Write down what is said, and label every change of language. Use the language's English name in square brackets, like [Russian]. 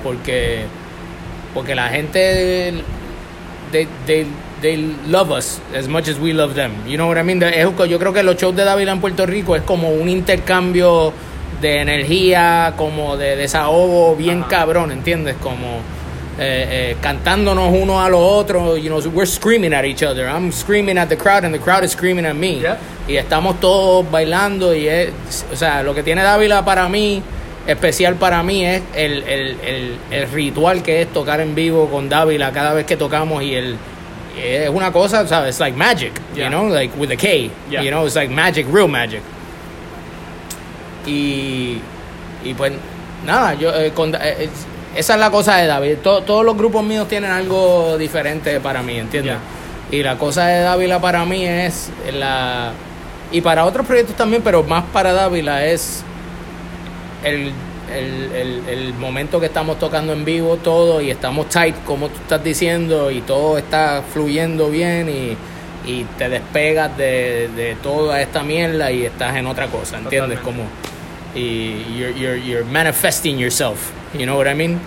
[Spanish] Porque la gente, [English] they love us as much as we love them. You know what I mean? [Spanish] Yo creo que los shows de Dávila en Puerto Rico es como un intercambio de energía, como de desahogo bien cabrón, ¿entiendes? Como cantándonos uno a los otros, [English] you know, we're screaming at each other. I'm screaming at the crowd and the crowd is screaming at me. Yep. [Spanish] Y estamos todos bailando y es, o sea, lo que tiene Dávila para mí, especial para mí, es el ritual que es tocar en vivo con Dávila cada vez que tocamos y es una cosa, ¿sabes? [English] It's like magic, yeah. You know, like with a K, yeah. You know, it's like magic, real magic. [Spanish] Y pues nada, esa es la cosa de David. Todos los grupos míos tienen algo diferente para mí, ¿entiendes? Yeah. Y la cosa de Dávila para mí es la... Y para otros proyectos también, pero más para Dávila es... El momento que estamos tocando en vivo todo y estamos tight, como tú estás diciendo, y todo está fluyendo bien y te despegas de toda esta mierda y estás en otra cosa, ¿entiendes? Totalmente. Como... [English] Y you're manifesting yourself, you know what I mean?